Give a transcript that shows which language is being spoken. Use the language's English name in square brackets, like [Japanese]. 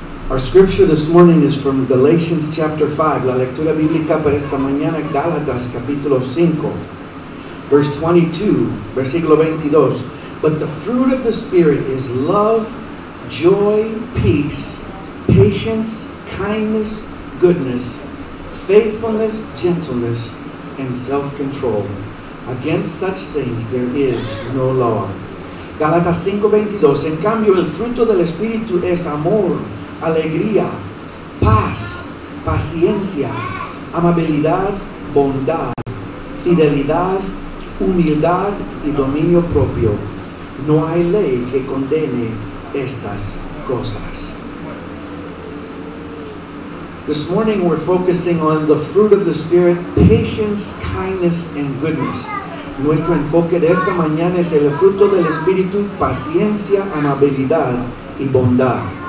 [English] Our scripture this morning is from Galatians chapter 5. [Spanish] La lectura bíblica para esta mañana, Gálatas capítulo 5, [English] verse 22, [Spanish] versículo 22. [English] But the fruit of the Spirit is love, joy, peace, patience, kindness, goodness, faithfulness, gentleness, and self-control. Against such things there is no law. Galatas 5:22. [Spanish] En cambio, el fruto del Espíritu es amor, alegría, paz, paciencia, amabilidad, bondad, fidelidad, humildad y dominio propio. No hay ley que condene estas cosas. [English] This morning we're focusing on the fruit of the Spirit, patience, kindness, and goodness. [Spanish] Nuestro enfoque de esta mañana es el fruto del Espíritu, paciencia, amabilidad y bondad.